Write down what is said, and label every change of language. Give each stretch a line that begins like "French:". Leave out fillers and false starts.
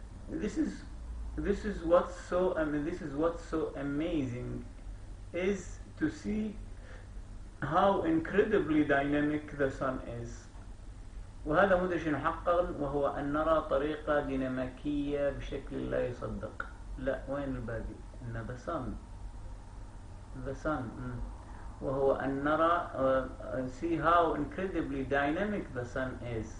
English: This is what's so amazing is to see how incredibly dynamic the sun is.
Arabic: وهذا مدهش حقا وهو أن نرى طريقة ديناميكية بشكل لا يصدق. لا وين الباقي؟ إن
English: the sun
Arabic: وهو أن نرى
English: see how incredibly dynamic the sun is.